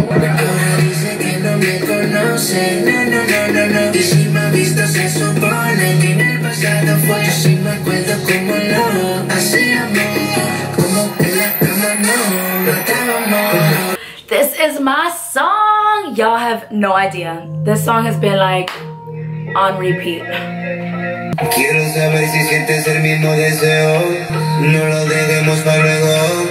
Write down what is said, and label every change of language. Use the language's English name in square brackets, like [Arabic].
[Spanish] Ahora dice que no me conoce. No. Y si me ha visto, se supone que en el pasado fue. Yo sí me acuerdo cómo lo hacíamos. Como en la cama no matábamos. [English] This is my song. Y'all have no idea. This song has been like on repeat. [Spanish] Quiero saber si sientes el mismo deseo. No lo dejemos para luego.